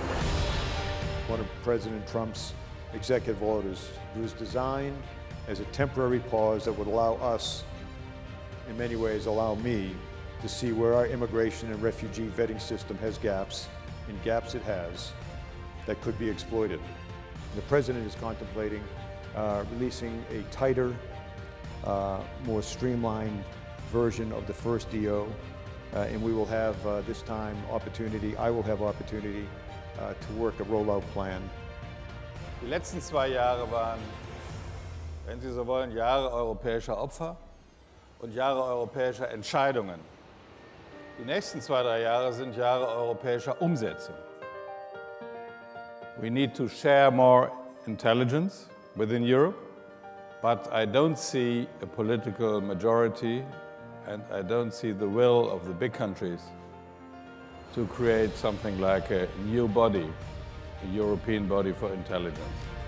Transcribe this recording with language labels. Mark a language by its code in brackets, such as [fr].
[en] One of President Trump's executive orders was designed as a temporary pause that would allow us, in many ways allow me, to see where our immigration and refugee vetting system has gaps, and gaps it has, that could be exploited. The president is contemplating releasing a tighter, more streamlined version of the first DO, and we will have I will have opportunity to work a rollout plan. [de] Die letzten zwei Jahre waren, wenn Sie so wollen, Jahre europäischer Opfer und Jahre europäischer Entscheidungen. Die nächsten zwei, drei Jahre sind Jahre europäischer Umsetzung. [en] We need to share more intelligence within Europe, but I don't see a political majority and I don't see the will of the big countries to create something like a new body, a European body for intelligence.